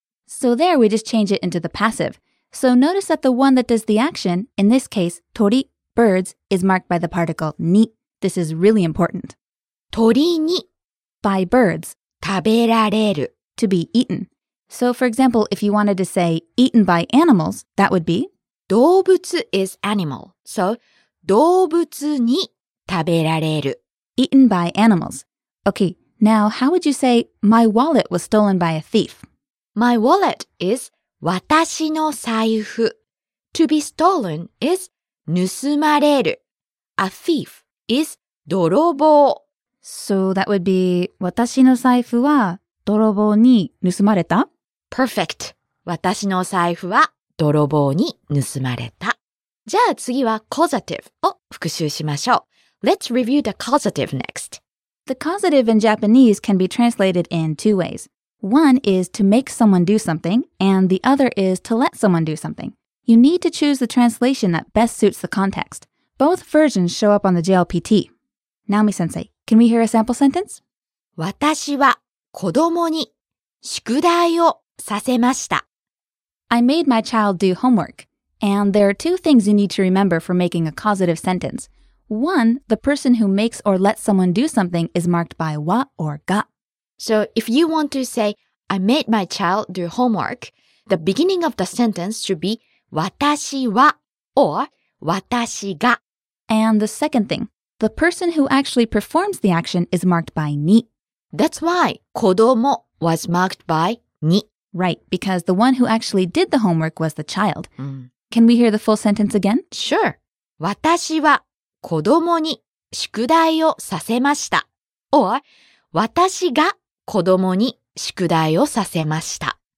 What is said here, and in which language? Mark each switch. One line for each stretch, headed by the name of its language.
English: So there, we just change it into the passive. So notice that the one that does the action, in this case, 鳥, birds, is marked by the particle に. This is really important.
Japanese: 鳥に
English: by birds
Japanese: 食べられる
English: to be eaten. So for example, if you wanted to say eaten by animals, that would be 動物 is animal.
Japanese: So 動物に食べられる
English: eaten by animals. Okay, now how would you say my wallet was stolen by a thief? My wallet is 私の財布 To be stolen is 盗まれる A thief is 泥棒 So that would be 私の財布は泥棒に盗まれた
Japanese: Perfect! 私の財布は泥棒に盗まれたじゃあ次は causative を復習しましょう Let's review the causative next
English: The causative in Japanese can be translated in two ways One is to make someone do something, and the other is to let someone do something. You need to choose the translation that best suits the context. Both versions show up on the JLPT. Naomi-sensei, can we hear a sample sentence?
Japanese: 私は子供に宿題をさせました。
English: I made my child do homework. And there are two things you need to remember for making a causative sentence. One, the person who makes or lets someone do something is marked by wa or ga. So if you want to say, I made my child do homework, the beginning of the sentence should be 私は or 私が。 And the second thing, the person who actually performs the action is marked by に. That's why 子供 was marked by に. Right, because the one who actually did the homework was the child. Mm. Can we hear the full sentence again? Sure.
Japanese: 私は子供に宿題をさせました。 Or 私が子供に宿題をさせました。